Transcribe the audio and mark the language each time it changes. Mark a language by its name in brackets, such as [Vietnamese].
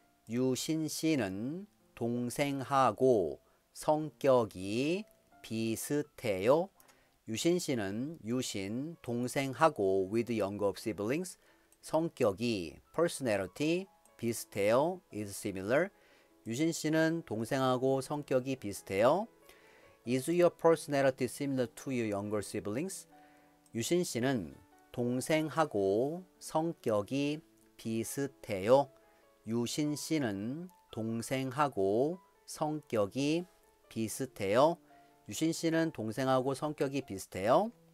[Korean] 유신 씨는 동생하고 성격이 비슷해요? 유신 씨는 유신 동생하고 [English] with younger siblings [Korean] 성격이 [English] personality [Korean] 비슷해요? [English] is similar? [Korean] 유신 씨는 동생하고 성격이 비슷해요? [English] Is your personality similar to your younger siblings? [Korean] 유신 씨는 동생하고 성격이 비슷해요? 유신 씨는 동생하고 성격이 비슷해요? 유신 씨는 동생하고 성격이 비슷해요?